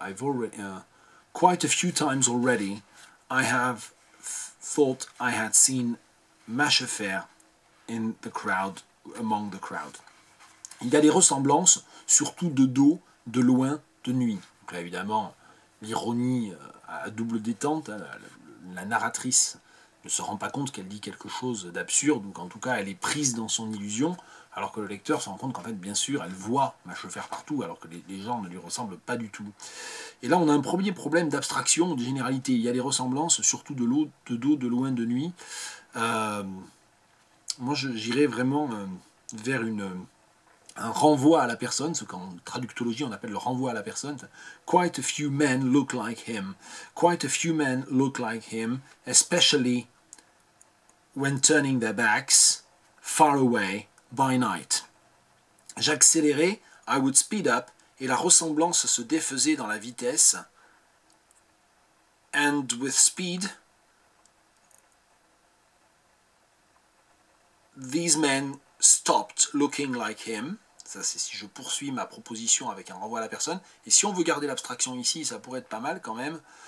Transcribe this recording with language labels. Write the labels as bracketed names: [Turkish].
[English] I've already, quite a few times already, I have thought I had seen Machefer in the crowd, among the crowd. [French] Il y a des ressemblances, surtout de dos, de loin, de nuit. Donc là, évidemment, l'ironie à double détente, la narratrice ne se rend pas compte qu'elle dit quelque chose d'absurde, ou qu'en tout cas elle est prise dans son illusion, alors que le lecteur se rend compte qu'en fait, bien sûr, elle voit Machefer partout, alors que les gens ne lui ressemblent pas du tout. Et là, on a un premier problème d'abstraction, de généralité. Il y a des ressemblances, surtout de dos, de loin, de nuit. Moi, j'irais vraiment vers un renvoi à la personne, ce qu'en traductologie on appelle le renvoi à la personne. [English] Quite a few men look like him. Quite a few men look like him, especially when turning their backs far away by night. [French] J'accélérais, [English] I would speed up, [French] et la ressemblance se défaisait dans la vitesse. [English] And with speed, these men stopped looking like him. [French] Ça, c'est si je poursuis ma proposition avec un renvoi à la personne. Et si on veut garder l'abstraction ici, ça pourrait être pas mal quand même.